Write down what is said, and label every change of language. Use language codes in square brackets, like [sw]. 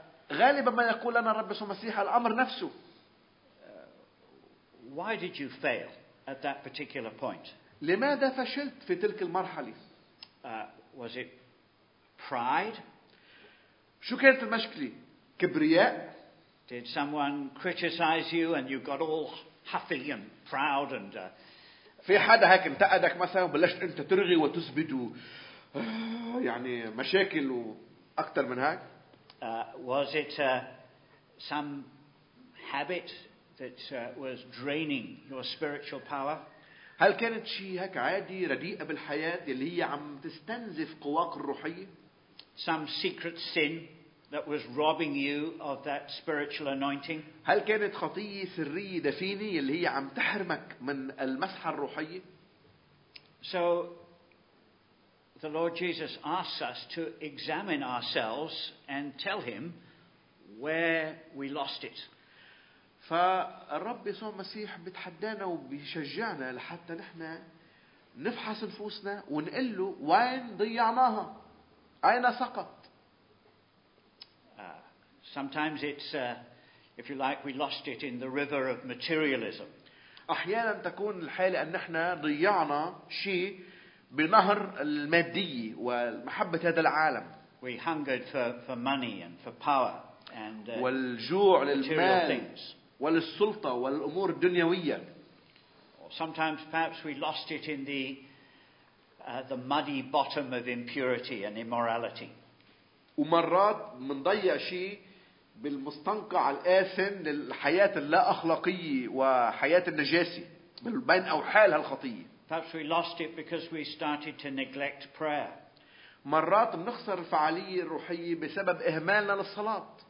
[ar] وغالبا ما يقول لنا الرب يسوع المسيح الأمر نفسه. [en] Why did you fail at that particular point? [ar] لماذا فشلت في تلك المرحلة؟ [en] Was it pride? [ar] شو كانت المشكلة؟ كبرياء؟ [en] Did someone criticize you and you got all huffy and proud and [ar] في حدا هيك انتقدك مثلا وبلشت انت ترغي وتثبت يعني مشاكل واكثر من هيك؟ [en] Was it some habit that was draining your spiritual power? [ar] هل كانت شيء هيك عادي رديئة بالحياة اللي هي عم تستنزف قواك الروحية؟ [en] Some secret sin that was robbing you of that spiritual anointing. [ar] هل كانت خطية سرية دفينة اللي هي عم تحرمك من المسحة الروحية؟ [en] So the Lord Jesus asks us to examine ourselves and tell him where we lost it. [ar] فالرب يسوع المسيح بتحدانا وبيشجعنا لحتى نحن نفحص نفوسنا ونقول له وين ضيعناها؟ أين سقط؟ [en] Sometimes it's, if you like, we lost it in the river of materialism. [ar] أحيانا تكون الحالة أن نحن ضيعنا شيء بنهر المادية ومحبة هذا العالم. [en] We hungered for money and for power and [ar] والجوع للمال [en] things. [ar] وللسلطة والأمور الدنيوية. [en] Sometimes perhaps we lost it in the muddy bottom of impurity and immorality. [ar] ومرات منضيع شيء بالمستنقع الآثم للحياة اللا أخلاقية وحياة النجاسة. بين أوحالها الخطية. [en] Perhaps we lost it because we started to neglect prayer. [ar] مرات بنخسر الفعالية الروحية بسبب إهمالنا للصلاة.